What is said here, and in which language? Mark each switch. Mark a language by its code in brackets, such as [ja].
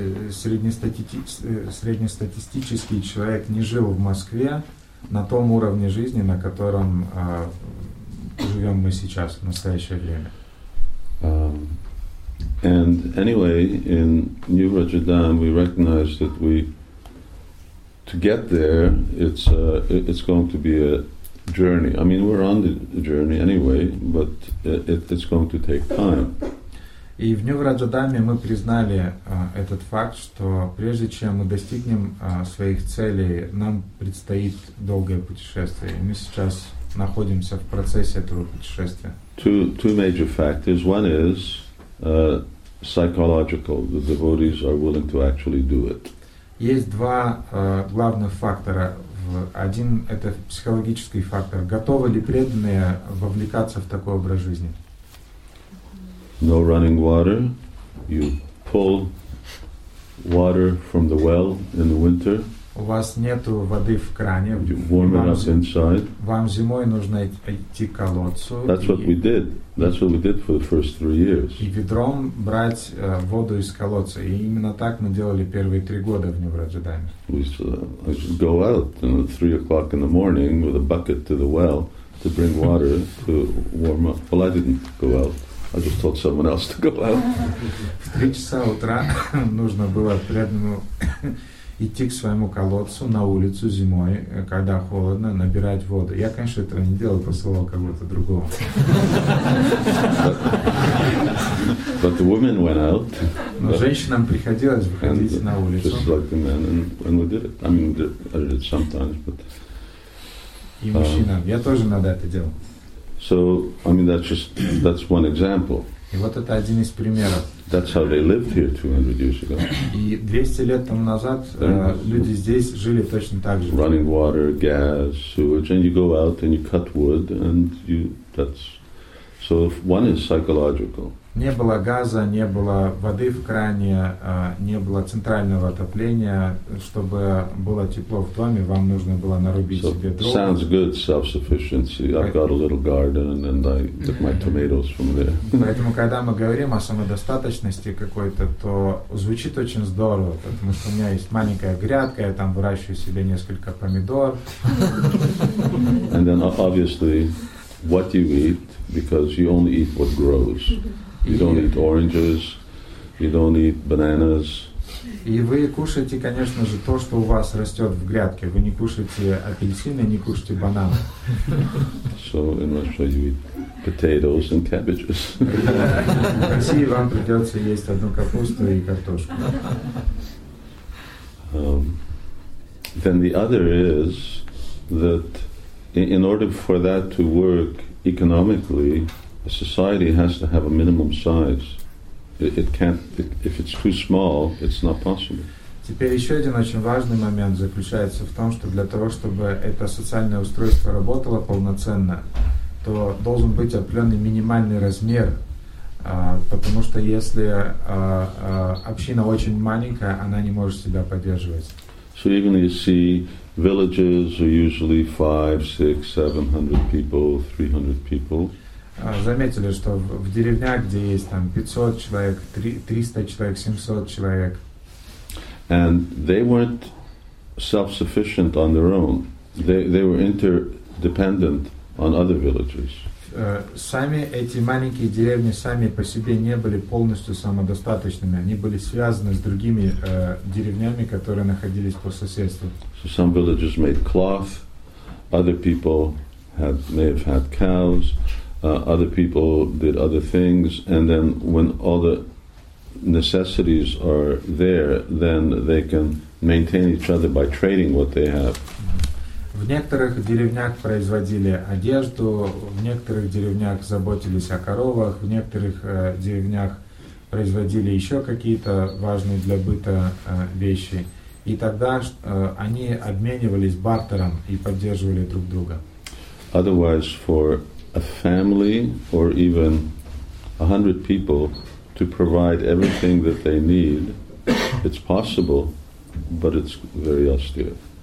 [ru] Среднестатистический человек не жил в Москве на том уровне жизни, на котором живем мы сейчас в настоящее время. [en] And anyway, in New Rajadam, we recognize that we to get there, it's going to be a journey. I mean, we're on the journey anyway, but it's going to take time. [ru] И в Нью-Раджадаме мы признали этот факт, что прежде чем мы достигнем своих целей, нам предстоит долгое путешествие. Мы сейчас находимся в процессе этого путешествия. [en] Two major factors. One is psychological. The devotees are willing to actually do it. [ru] Есть два главных фактора. Один – это психологический фактор. Готовы ли преданные вовлекаться в такой образ жизни? [en] No running water. You pull water from the well in the winter. [ru] У вас нету воды в кране. Вам зимой нужно идти к колодцу. [en] That's what we did. That's what we did for the first 3 years. [ru] И ведром брать воду из колодца. И именно так мы делали первые 3 года в Нью-Раджадаме. [en] We should go out at 3 o'clock in the morning with a bucket to the well to bring water to warm up. Well, I didn't go out. I just told someone else to go out. [ru] В 3 часа утра нужно было прямо идти к своему колодцу на улицу зимой, когда холодно, набирать воду. Я, конечно, этого не делал, посылал кого-то другого. [en] But the women went out. [ru] Но женщинам приходилось выходить на улицу. [en] Just like the men, and we did it. I mean, I did it sometimes, but. [ru] И мужчинам. Я тоже иногда это делал. [en] So, I mean, that's one example. [ru] И вот это один из примеров. [en] That's how they lived here 200 years ago. [ru] И 200 лет тому назад люди здесь жили точно так же. [en] Running water, gas, sewage, and you go out and you cut wood, and you that's so one is psychological. [ru] Не было газа, не было воды в кране, не было центрального отопления, чтобы было тепло в доме, вам нужно было нарубить себе дров. [en] Sounds good, self-sufficiency. I've got a little garden and I get my tomatoes from there. [ru] Поэтому, когда мы говорим о самодостаточности какой-то, то звучит очень здорово, потому что у меня есть маленькая грядка, я там выращиваю себе несколько помидор. [en] And then obviously what you eat, because you only eat what grows. You don't eat oranges, you don't eat bananas. [ru] И вы кушаете, конечно же, то, что у вас растет в грядке. Вы не кушаете апельсины, не кушаете бананы. [en] So in Russia you eat potatoes and cabbages. [ru] В России вам придется есть одну капусту и картошку. [en] Then the other is that in order for that to work economically, a society has to have a minimum size. If it's too small, it's not possible. [ru] Теперь еще один очень важный момент заключается в том, что для того, чтобы это социальное устройство работало полноценно, то должен быть определенный минимальный размер, потому что если община очень маленькая, она не может себя поддерживать. [en] So even you see, villages are usually 500, 600, 700 people, 300 people. [ru] Заметили, что в деревнях, где есть там 500 человек, 300 человек, 700 человек. [en] And they weren't self-sufficient on their own. They were interdependent on other villages. [ru] Сами эти маленькие деревни сами по себе не были полностью самодостаточными. Они были связаны с другими деревнями, которые находились по соседству. [en] So some villages made cloth. Other people may have had cows. Other people did other things, and then when all the necessities are there, then they can maintain each other by trading what they have. [ru] В некоторых деревнях производили одежду, в некоторых деревнях заботились о коровах, в некоторых деревнях производили еще какие-то важные для быта вещи, и тогда они обменивались бартером и поддерживали друг друга. [en] Otherwise, for a family or even 100 people to provide everything that they need, it's possible, but it's very austere.